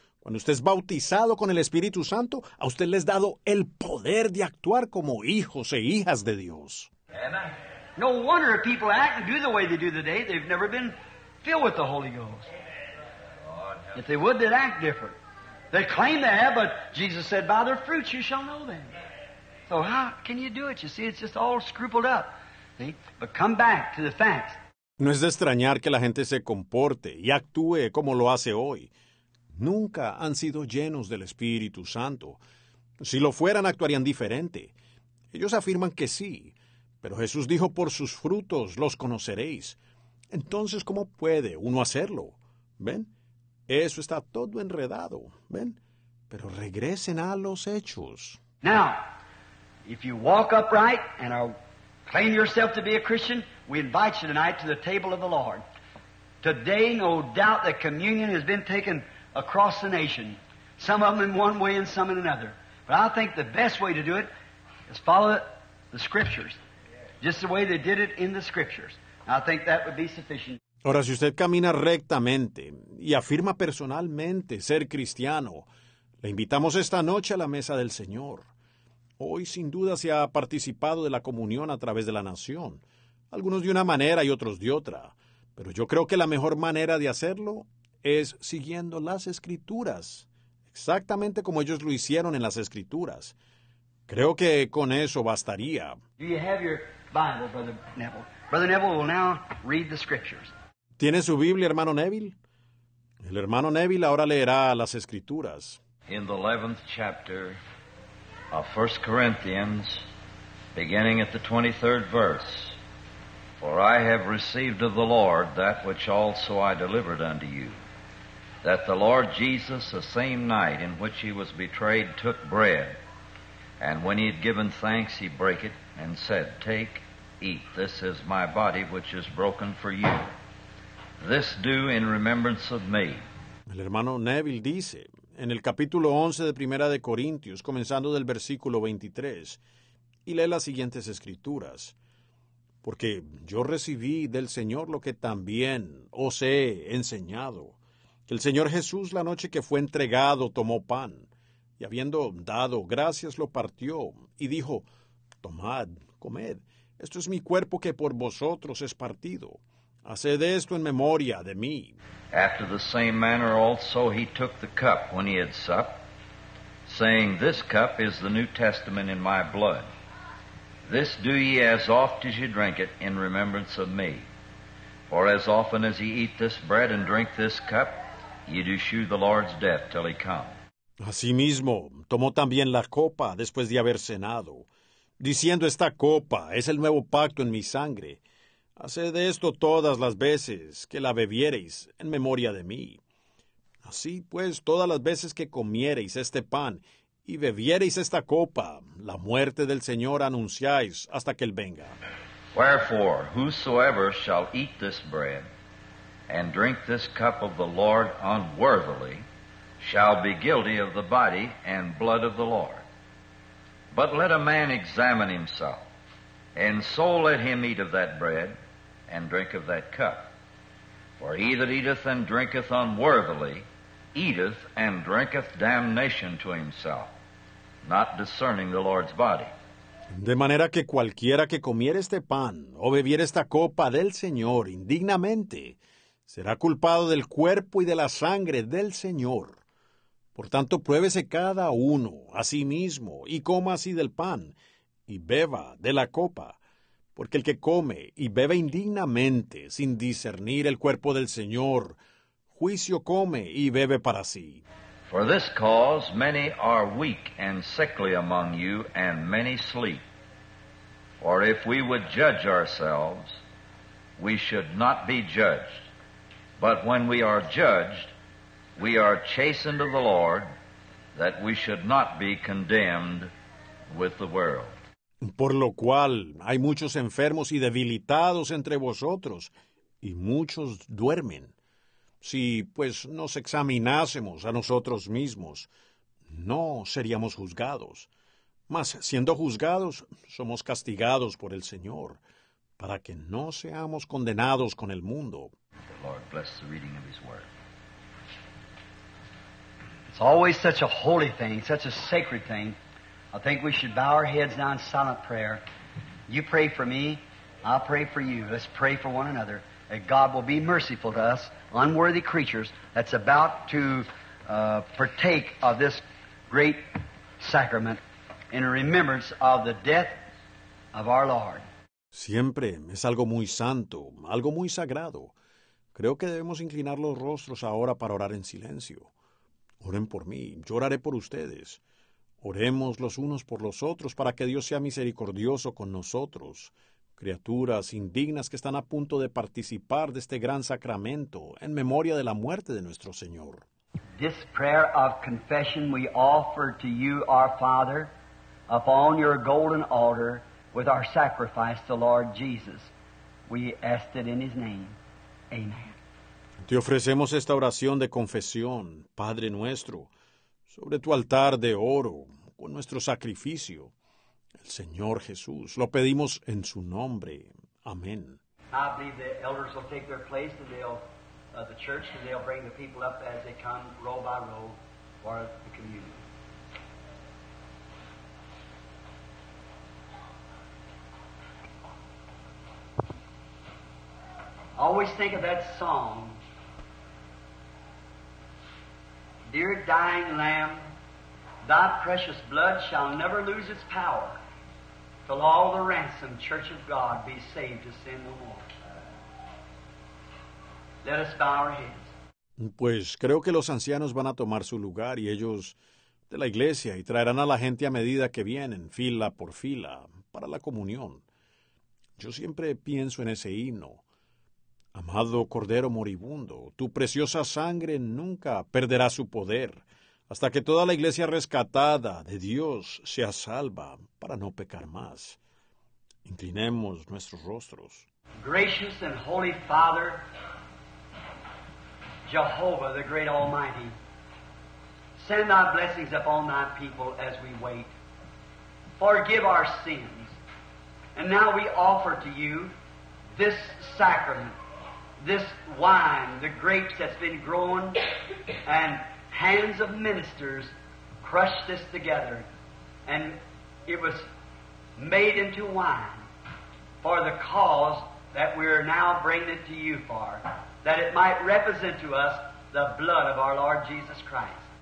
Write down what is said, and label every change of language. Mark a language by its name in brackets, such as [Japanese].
[Spanish] Cuando usted es bautizado con el Espíritu Santo, a usted le es dado el poder de actuar como hijos e hijas de Dios. [English] No wonder if people act and do the way they do today, they've never been filled with the Holy Ghost. If they would, they'd act different. They claim they have, but Jesus said, by their fruits you shall know them. So how can you do it? You see, it's just all scrupled up. See? But come back to the facts. [Spanish] No es de extrañar que la gente se comporte y actúe como lo hace hoy. Nunca han sido llenos del Espíritu Santo. Si lo fueran, actuarían diferente. Ellos afirman que sí, pero Jesús dijo, por sus frutos los conoceréis. Entonces, ¿cómo puede uno hacerlo? ¿Ven? Eso está todo enredado. ¿Ven? Pero regresen a los hechos. [English] Now, if you walk upright and are claim yourself to be a Christian, we invite you tonight to the table of the Lord. Today, no doubt, the communion has been taken across the nation, some of them in one way and some in another. But I think the best way to do it is follow the Scriptures, just the way they did it in the Scriptures. I think that would be sufficient. [Spanish] Ahora, si usted camina rectamente y afirma personalmente ser cristiano, le invitamos esta noche a la mesa del Señor. Hoy, sin duda, se ha participado de la comunión a través de la nación, algunos de una manera y otros de otra. Pero yo creo que la mejor manera de hacerlo es siguiendo las Escrituras, exactamente como ellos lo hicieron en las Escrituras. Creo que con eso bastaría. [English] Do you have your Bible, Brother Neville? Brother Neville will now read the Scriptures. [Spanish] ¿Tiene su Biblia, hermano Neville? El hermano Neville ahora leerá las Escrituras. [English] In the 11th chapter of 1 Corinthians, beginning at the 23rd verse. For I have received of the Lord that which also I delivered unto you, that the Lord Jesus, the same night in which he was betrayed, took bread, and when he had given thanks, he brake it, and said, Take, eat, this is my body which is broken for you. This do in remembrance of me. [Spanish] El hermano Neville dice, en el capítulo 11 de Primera de Corintios, comenzando del versículo 23, y lee las siguientes Escrituras. Porque yo recibí del Señor lo que también os he enseñado, que el Señor Jesús, la noche que fue entregado, tomó pan, y habiendo dado gracias, lo partió, y dijo, Tomad, comed, esto es mi cuerpo que por vosotros es partido. Haced esto en memoria de mí. [English] After the same manner also he took the cup when he had supped, saying, This cup is the New Testament in my blood. This do ye as oft as ye drink it in remembrance of me. For as often as ye eat this bread and drink this cup, ye do shew the Lord's death till he come. [Spanish] Asimismo, tomó también la copa después de haber cenado, diciendo, Esta copa es el nuevo pacto en mi sangre. Haced esto todas las veces que la bebiereis en memoria de mí. Así pues, todas las veces que comiereis este pan y bebiereis esta copa, la muerte del Señor anunciáis hasta que Él venga. [English] Wherefore, whosoever shall eat this bread and drink this cup of the Lord unworthily shall be guilty of the body and blood of the Lord. But let a man examine himself, and so let him eat of that bread and drink of that cup. For he that eateth and drinketh unworthily, eateth and drinketh damnation to himself, not discerning the Lord's body. [Spanish] De manera que cualquiera que comiere este pan, o bebiere esta copa del Señor indignamente, será culpado del cuerpo y de la sangre del Señor. Por tanto, pruébese cada uno a sí mismo, y coma así del pan, y beba de la copa. Porque el que come y bebe indignamente, sin discernir el cuerpo del Señor, juicio come y bebe para sí. [English] For this cause many are weak and sickly among you, and many sleep. For if we would judge ourselves, we should not be judged. But when we are judged, we are chastened of the Lord, that we should not be condemned with the world. [Spanish] Por lo cual hay muchos enfermos y debilitados entre vosotros, y muchos duermen. Si, pues, nos examinásemos a nosotros mismos, no seríamos juzgados. Mas, siendo juzgados, somos castigados por el Señor, para que no seamos condenados con el mundo. [English] The Lord bless the reading of His word. It's always such a holy thing, such a sacred thing. I think we should bow our heads now in silent prayer. You pray for me, I'll pray for you. Let's pray for one another, that God will be merciful to us, unworthy creatures, that's about to partake of this great sacrament in remembrance of the death of our Lord. [Spanish] Siempre es algo muy santo, algo muy sagrado. Creo que debemos inclinar los rostros ahora para orar en silencio. Oren por mí, yo oraré por ustedes. Oremos los unos por los otros para que Dios sea misericordioso con nosotros, criaturas indignas que están a punto de participar de este gran sacramento en memoria de la muerte de nuestro Señor. [English] This prayer of confession we offer to you, our Father, upon your golden altar with our sacrifice to Lord Jesus. We ask it in his name. Amen. [Spanish] Te ofrecemos esta oración de confesión, Padre nuestro, sobre tu altar de oro, con nuestro sacrificio, el Señor Jesús. Lo pedimos en su nombre. Amén. [English] I believe the elders will take their place and they'll, the church, and they'll bring the people up as they come row by row for the communion. Always think of that song. Dear dying Lamb, thy precious blood shall never lose its power till all the ransomed church of God be saved to sin no more. Let us bow our heads. [Spanish] Pues creo que los ancianos van a tomar su lugar y ellos de la iglesia y traerán a la gente a medida que vienen, fila por fila, para la comunión. Yo siempre pienso en ese himno. Amado Cordero moribundo, tu preciosa sangre nunca perderá su poder hasta que toda la iglesia rescatada de Dios sea salva para no pecar más. Inclinemos nuestros rostros. [English] Gracious and holy Father, Jehovah the great Almighty, send thy blessings upon thy people as we wait. Forgive our sins. And now we offer to you this sacrament, this wine, the grapes that's been grown, and hands of ministers crushed this together, and it was made into wine for the cause that we are now bringing it to you for, that it might represent to us the blood of our Lord Jesus Christ.